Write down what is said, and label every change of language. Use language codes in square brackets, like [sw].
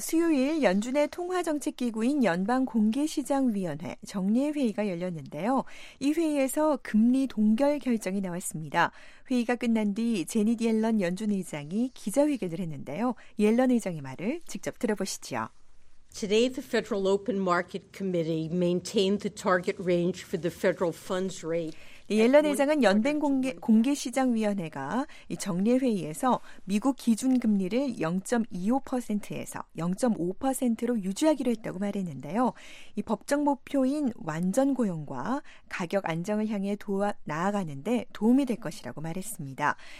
[ko] 수요일 연준의 통화정책기구인 연방공개시장위원회 정례회의가 열렸는데요. 이 회의에서 금리 동결 결정이 나왔습니다. 회의가 끝난 뒤 제닛 옐런 연준의장이 기자회견을 했는데요. 옐런 의장의 말을 직접 들어보시죠. [en] Today, the Federal Open Market Committee maintained the target range for the federal funds rate. [ko] 옐런 의장은 연방 공개시장위원회가 이 정례회의에서 미국 기준금리를 0.25%에서 0.5%로 유지하기로 했다고 말했는데요. 이 법정 목표인 완전 고용과 가격 안정을 향해 나아가는 데 도움이 될 것이라고 말했습니다.